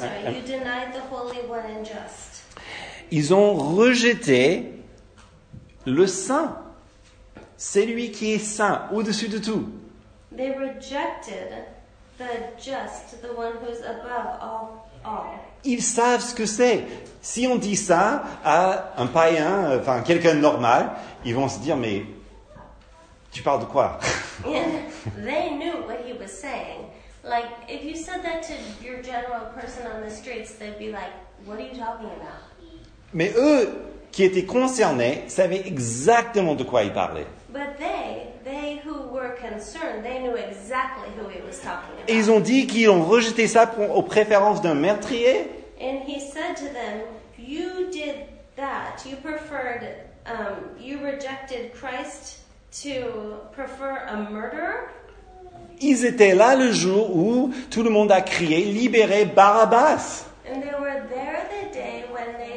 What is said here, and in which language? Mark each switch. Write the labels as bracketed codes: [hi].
[en] You denied the Holy One and just. [fr] Ils ont rejeté le Saint. C'est lui qui est saint, au-dessus de tout. [en] They rejected the just, the one who's above all. [fr] Ils savent ce que c'est. Si on dit ça à un païen, enfin quelqu'un normal, ils vont se dire, mais tu parles de quoi? [en] And they knew what he was saying. Like, if you said that to your general person on the streets, they'd be like, what are you talking about? [fr] Mais eux qui étaient concernés savaient exactement de quoi ils parlaient. [en] But they who were concerned, they knew exactly who he was talking about. [fr] Ils ont dit qu'ils ont rejeté ça aux préférences d'un meurtrier. [en] And he said to them, you did that. You preferred, you rejected Christ to prefer a murderer. [fr] Ils étaient là le jour où tout le monde a crié, libérez Barabbas. [en] And they were there the day when